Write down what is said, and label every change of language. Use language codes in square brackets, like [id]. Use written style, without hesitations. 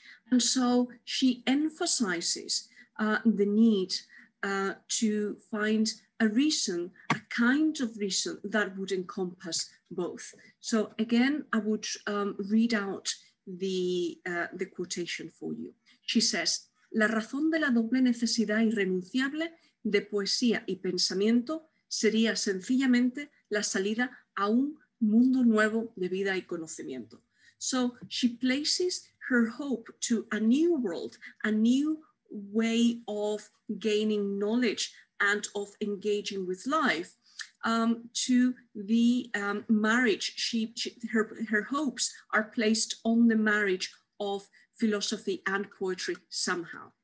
[en] And so she emphasizes the need to find a reason, a kind of reason that would encompass both. So again, I would read out the quotation for you. She says, [es] "La razón de la doble necesidad irrenunciable de poesía y pensamiento sería sencillamente la salida a un mundo nuevo de vida y conocimiento." [en] So she places her hope to a new world, a new way of gaining knowledge and of engaging with life, to the marriage. Her hopes are placed on the marriage of philosophy and poetry somehow.